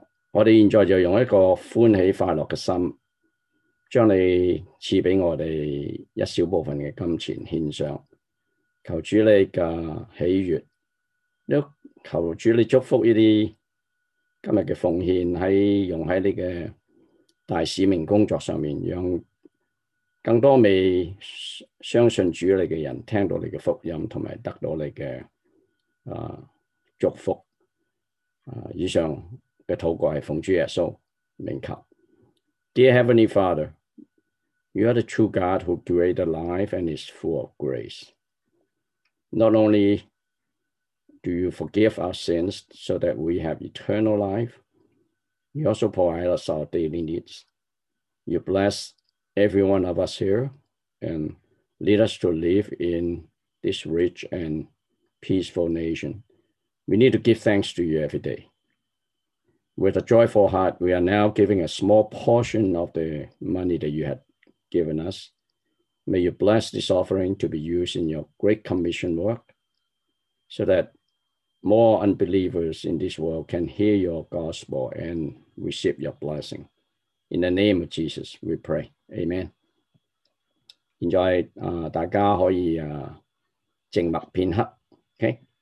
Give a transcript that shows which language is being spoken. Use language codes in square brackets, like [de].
[zh] 我们现在就用一个欢喜快乐的心，将你赐给我们一小部分的金钱献上，求主你的喜悦，求主你祝福这些今天的奉献，用在你的大使命工作上面，让更多未相信主你的人听到你的福音和得到你的祝福。以上的祷告是奉主耶稣名求。 [en] Dear Heavenly Father, you are the true God who created life and is full of grace. Not only do you forgive our sins so that we have eternal life, you also provide us our daily needs. You bless every one of us here and lead us to live in this rich and peaceful nation. We need to give thanks to you every day. With a joyful heart, we are now giving a small portion of the money that you had given us. May you bless this offering to be used in your great commission work so that more unbelievers in this world can hear your gospel and receive your blessing. In the name of Jesus, we pray. Amen. [zh] 现在大家可以静默片刻。 [en] Okay?